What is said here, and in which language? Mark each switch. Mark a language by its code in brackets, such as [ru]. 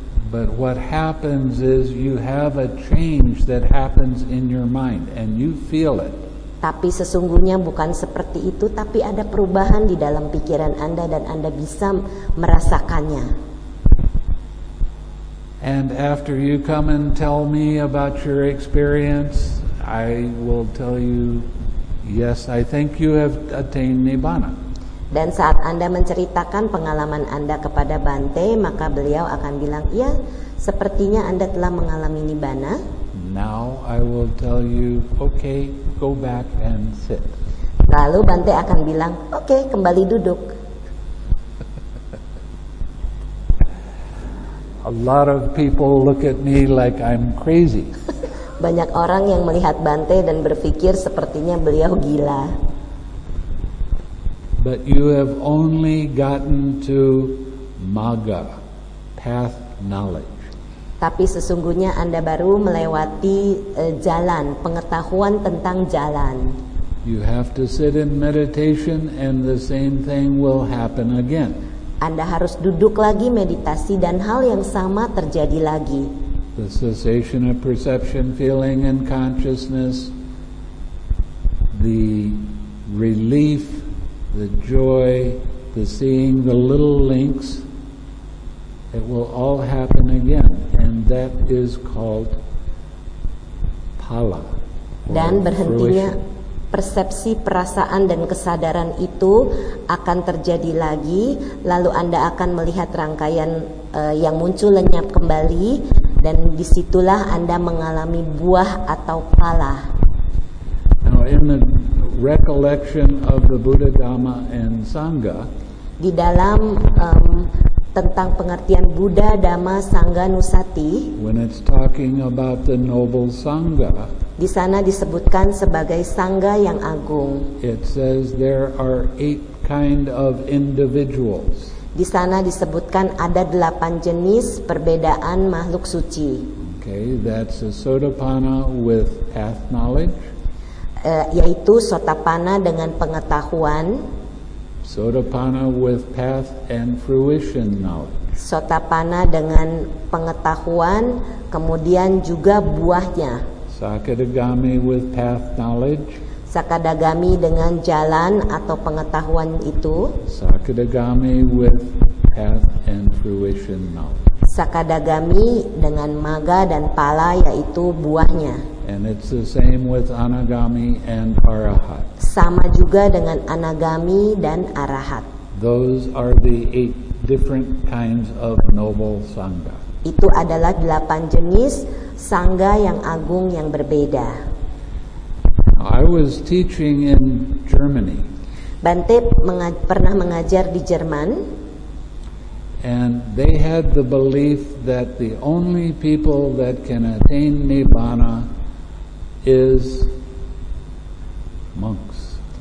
[en] But what happens is you have a change that happens in your mind and you feel it. [id] Tapi sesungguhnya bukan seperti itu, tapi ada perubahan di dalam pikiran Anda dan Anda bisa merasakannya. [en] And after you come and tell me about your experience, I will tell you, yes, I think you have attained Nibbana. [id] Dan saat Anda menceritakan pengalaman Anda kepada Bante, maka beliau akan bilang, ya, sepertinya Anda telah mengalami Nibbana. [en] Now I will tell you, okay, go back and sit. [id] Lalu Bante akan bilang, okay, kembali duduk. [en] A lot of people look at me like I'm crazy. [id] Banyak orang yang melihat Bante dan berpikir sepertinya beliau gila. [en] But you have only gotten to magga, path knowledge. [id] Tapi sesungguhnya Anda baru melewati jalan, pengetahuan tentang jalan. [en] You have to sit in meditation and the same thing will happen again. [id] Anda harus duduk lagi meditasi dan hal yang sama terjadi lagi. [en] The cessation of perception, feeling and consciousness, the relief, the joy, the seeing the little links, it will all happen again. And that is called pala. [id] Dan berhentinya persepsi, perasaan, dan kesadaran itu akan terjadi lagi. Lalu Anda akan melihat rangkaian yang muncul lenyap kembali. Dan disitulah Anda mengalami buah atau pala. [en] Now in the recollection of the Buddha Dhamma and Sangha. [id] Di dalam tentang pengertian Buddha Dhamma Sangha Nusati. [en] When it's talking about the noble Sangha. [id] Di sana disebutkan sebagai Sangha yang agung. [en] It says there are 8 kind of individuals. [id] Di sana disebutkan ada 8 jenis perbedaan makhluk suci. [en] Okay, that's a Sotapanna with path knowledge. [id] Yaitu Sotapanna dengan pengetahuan. [en] Sotapanna with path and fruition knowledge. [id] Sotapanna dengan pengetahuan, kemudian juga buahnya. [en] Sakadagami with path knowledge. [id] Sakadagami dengan jalan atau pengetahuan itu. [en] Sakadagami with path and fruition knowledge. [id] Sakadagami dengan magga dan pala, yaitu buahnya. [en] And it's the same with anagami and arahat. [id] Sama juga dengan anagami dan arahat. [en] Those are the 8 different kinds of noble sangha. [id] Itu adalah 8 jenis sangha yang agung yang berbeda. [en] I was teaching in Germany. [id] Bante pernah mengajar di Jerman. [en] And they had the belief that the only people that can attain nirvana is monks.